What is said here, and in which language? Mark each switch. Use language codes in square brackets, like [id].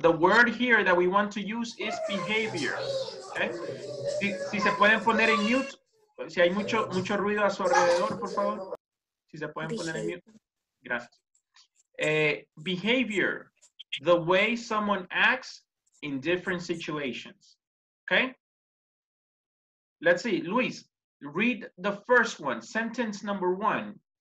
[en] The word here that we want to use is behavior. Okay? [es] Si se pueden poner en mute, si hay mucho ruido a su alrededor, por favor. Si se pueden poner en mute. Gracias. [en] Behavior, the way someone acts in different situations. Okay? Let's see. Luis, read the first one, sentence number one.